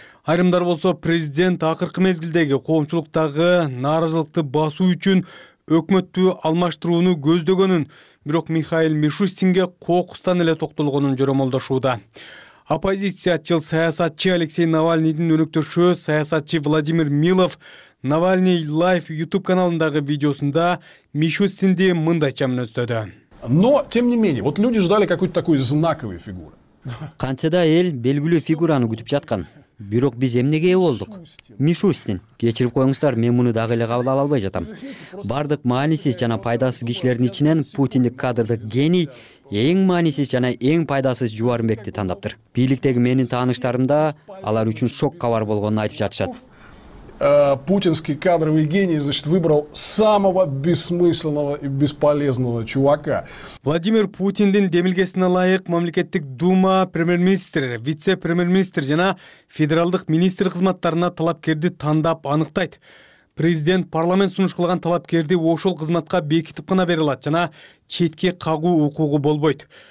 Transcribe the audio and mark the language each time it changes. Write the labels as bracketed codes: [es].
[ky] Айрымдар болсо, президент акыркы мезгилдеги коомчулуктагы нааразылыкты басуу үчүн өкмөттү алмаштырууну көздөгөнүн, бирок Михаил Мишустинге кокустан эле токтолгонун жоромолдошууда. Оппозициячыл саясатчы Алексей Навальныйдын өнөктөшү саясатчы Владимир Милов Навальный Лайф YouTube каналындагы видеосунда Мишустинди мындайча мүнөздөдү. [ru] Но тем не менее, вот люди ждали какой-то такой знаковой фигуры. [ky] Канча да эл белгилүү фигураны күтүп жаткан. Бирок биз эмнеге ээ болдук? Мишустин, кечирип коюңуздар, мен муну дагы эле кабыл ала албай жатам. Бардык маанисиз жана пайдасыз кишилердин ичинен Путиндик кадрдык гений эң маанисиз жана эң пайдасыз Жубарбекти тандаптыр. Бийликтеги менин тааныштарымда алар үчүн шок кабар болгонун айтып жатышат. [ru] Путинский кадровый гений, значит, выбрал самого бессмысленного и бесполезного чувака. [ky] Владимир Путиндин демилгесине ылайык мамлекеттик дума, премьер-министр, вице-премьер-министр жана федералдык министр кызматтарына талапкерди тандап аныктайт. Президент парламент сунуш кылган талапкерди ошол кызматка бекитип гана бере алат жана четке кагуу укугу болбойт.